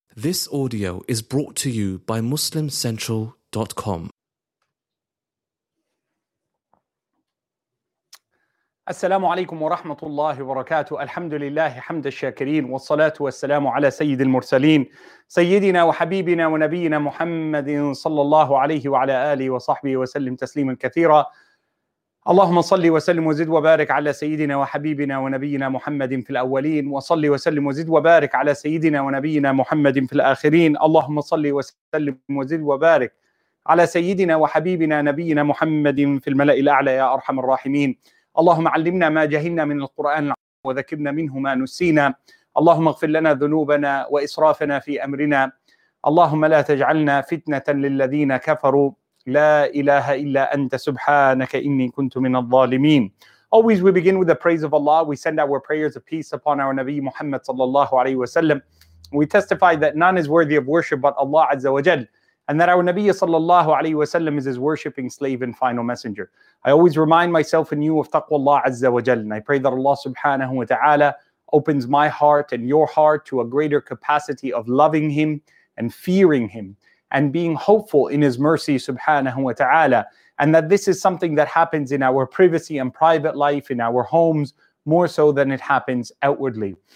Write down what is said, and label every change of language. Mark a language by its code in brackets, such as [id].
[en] This audio is brought to you by MuslimCentral.com. [ar] السلام عليكم ورحمة الله وبركاته. الحمد لله حمد الشاكرين والصلاة والسلام على سيد المرسلين سيدنا وحبيبنا ونبينا محمد صلى الله عليه وعلى آله وصحبه وسلم تسليما كثيرا. اللهم صلِّ وسلِّم وزِد وبارِك على سيدنا وحبيبنا ونبينا محمدٍ في الأولين، وصلِّ وسلِّم وزِد وبارِك على سيدنا ونبينا محمدٍ في الآخرين. اللهم صلِّ وسلِّم وزِد وبارِك على سيدنا وحبيبنا نبينا محمدٍ في الملأ الأعلى يا أرحم الراحمين. اللهم علمنا ما جهلنا من القرآن العظيم، وذكرنا منه ما نسينا. اللهم اغفر لنا ذنوبنا وإسرافنا في أمرنا. اللهم لا تجعلنا فتنةً للذين كفروا. لا إله إلا أنت سبحانك إني كنت من الظالمين. [en] Always we begin with the praise of Allah. We send our prayers of peace upon our Nabi Muhammad sallallahu alayhi wa sallam. We testify that none is worthy of worship but Allah Azza wa Jal, and that our Nabi sallallahu alayhi wa sallam is his worshipping slave and final messenger. I always remind myself and you of taqwa Allah Azza wa Jal, and I pray that Allah subhanahu wa ta'ala opens my heart and your heart to a greater capacity of loving him and fearing him and being hopeful in his mercy subhanahu wa ta'ala, and that this is something that happens in our privacy and private life, in our homes, more so than it happens outwardly.